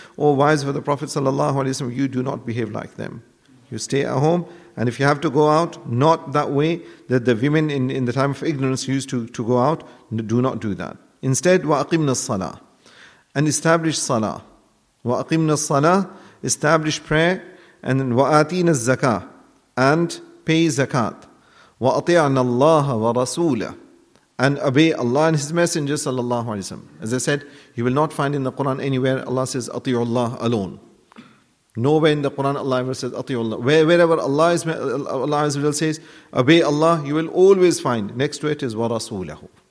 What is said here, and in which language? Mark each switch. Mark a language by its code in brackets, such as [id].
[en] Oh, wives of the Prophet sallallahu alaihi wasallam, you do not behave like them. You stay at home. And if you have to go out, not that way that the women in the time of ignorance used to go out, do not do that. Instead, [ar] وَأَقِمْنَا الصَّلَاةَ. [en] And establish salah. [ar] وَأَقِمْنَا الصَّلَاةَ. [en] Establish prayer. [ar] And وَآتِينَ الزَّكَاةَ. [en] And pay zakat. [ar] وَأَطِعْنَا اللَّهَ وَرَسُولَهُ. [en] and obey Allah and His Messenger sallallahu alayhi wa sallam. As I said, you will not find in the Quran anywhere Allah says Atiyu Allah alone. Nowhere in the Quran Allah ever says Atiyu Allah. Wherever Allah says obey Allah, you will always find next to it is wa rasulahu.